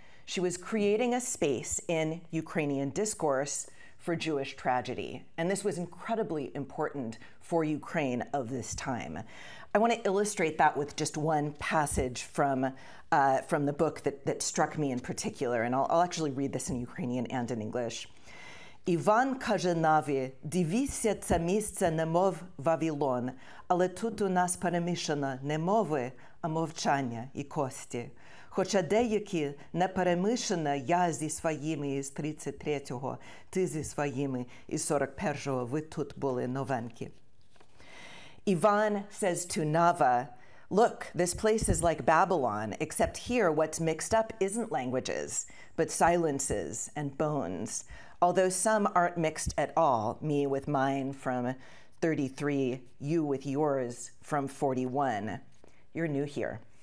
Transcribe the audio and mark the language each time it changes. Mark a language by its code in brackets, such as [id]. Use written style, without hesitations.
[en] She was creating a space in Ukrainian discourse for Jewish tragedy. And this was incredibly important for Ukraine of this time. I want to illustrate that with just one passage from the book that struck me in particular. And I'll actually read this in Ukrainian and in English. [uk] Іван каже Наві, дивіться це місце, немов Вавилон, але тут у нас перемішано не мови, а мовчання і кості. Хоча деякі не перемішана я зі своїми із 33-го, ти зі своїми із 41-го, ви тут були новенькі. [en] Іван says to Nava, look, this place is like Babylon, except here what's mixed up isn't languages, but silences and bones. Although some aren't mixed at all, me with mine from 33, you with yours from 41. You're new here.